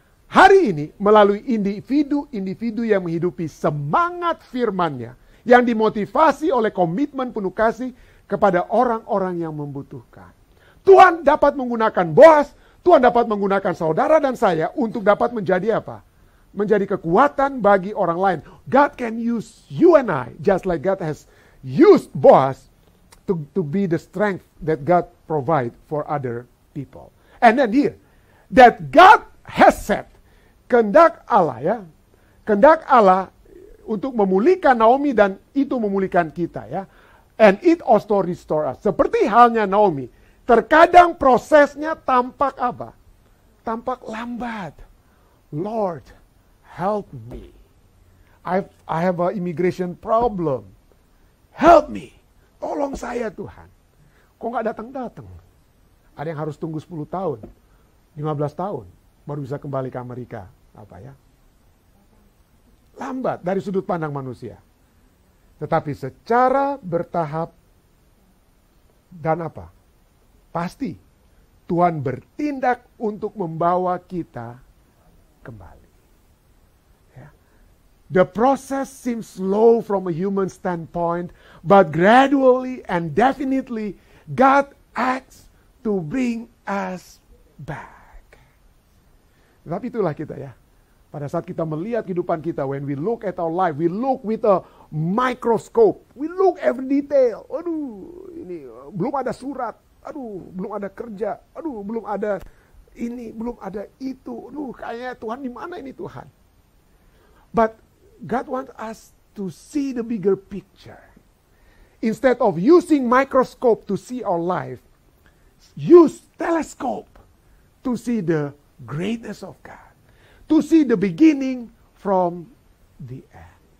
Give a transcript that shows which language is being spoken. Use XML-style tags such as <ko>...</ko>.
<id>Hari ini melalui individu-individu yang menghidupi semangat firman-Nya, yang dimotivasi oleh komitmen penuh kasih kepada orang-orang yang membutuhkan. Tuhan dapat menggunakan Boaz, Tuhan dapat menggunakan saudara dan saya untuk dapat menjadi apa? Menjadi kekuatan bagi orang lain.</id> <en>God can use you and I, just like God has used Boaz to be the strength that God provide for other people. And then here, that God has said,</en> <id>kehendak Allah ya, kehendak Allah untuk memulihkan Naomi dan itu memulihkan kita ya.</id> <en>And it also restore us.</en> <id>Seperti halnya Naomi, terkadang prosesnya tampak apa? Tampak lambat.</id> <en>Lord, help me. I have an immigration problem. Help me.</en> <id>Tolong saya Tuhan. Kok enggak datang-datang? Ada yang harus tunggu 10 tahun, 15 tahun baru bisa kembali ke Amerika, apa ya? Lambat dari sudut pandang manusia. Tetapi secara bertahap dan apa? Pasti Tuhan bertindak untuk membawa kita kembali. Ya.</id> <en>The process seems slow from a human standpoint, but gradually and definitely God acts to bring us back.</en> <id>Tetapi itulah kita ya. Pada saat kita melihat kehidupan kita,</id> <en>when we look at our life, we look with a microscope. We look every detail.</en> <id>Aduh, ini belum ada surat. Aduh, belum ada kerja. Aduh, belum ada ini, belum ada itu. Aduh, kayaknya Tuhan di mana ini Tuhan?</id> <en>But God wants us to see the bigger picture. Instead of using microscope to see our life, use telescope to see the greatness of God. To see the beginning from the end.</en>